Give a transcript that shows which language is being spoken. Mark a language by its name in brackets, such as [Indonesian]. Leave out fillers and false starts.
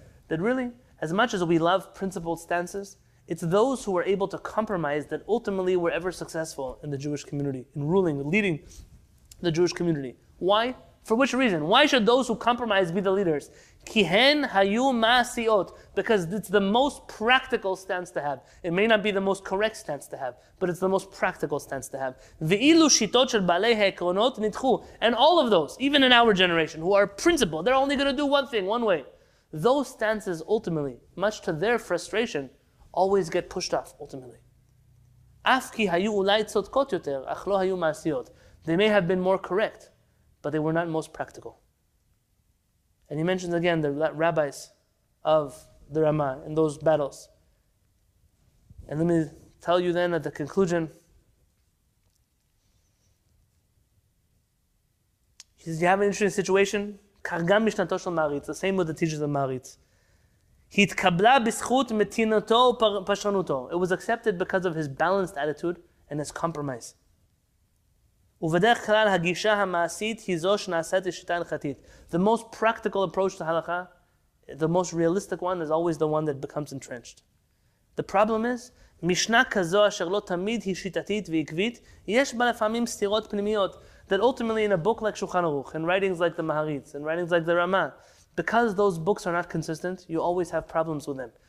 [English] That really, as much as we love principled stances, it's those who were able to compromise that ultimately were ever successful in the Jewish community, in ruling, leading the Jewish community. Why? For which reason? Why should those who compromise be the leaders? [Hebrew] כי הן היו מעשיות. [English] Because it's the most practical stance to have. It may not be the most correct stance to have, but it's the most practical stance to have. [Hebrew] ואילו שיטות של בעלי העקרונות נדחו. [English] And all of those, even in our generation, who are principled, they're only going to do one thing, one way. Those stances ultimately, much to their frustration, always get pushed off ultimately. [Hebrew] אף כי היו אולי צודקות יותר, אך לא היו מעשיות. [English] They may have been more correct, but they were not most practical. And he mentions again the rabbis of the Ramah in those battles. And let me tell you then at the conclusion. He says, you have an interesting situation. [Hebrew] Kargam mishnato shel Maritz, [English] the same with the teachers of Maritz. [Hebrew] Hitkabla bizchut metinato pashanuto. [English] It was accepted because of his balanced attitude and his compromise. [Hebrew] ובדרך כלל הגישה המעשית היא זו שנעשית לשיטה הלכתית. [English] The most practical approach to halakha, the most realistic one, is always the one that becomes entrenched. The problem is, [Hebrew] משנה כזו אשר לא תמיד היא שיטתית ועקבית, יש בה לפעמים סתירות פנימיות, [English] that ultimately in a book like Shulchan Aruch, in writings like the Maharitz, in writings like the Rama, because those books are not consistent, you always have problems with them.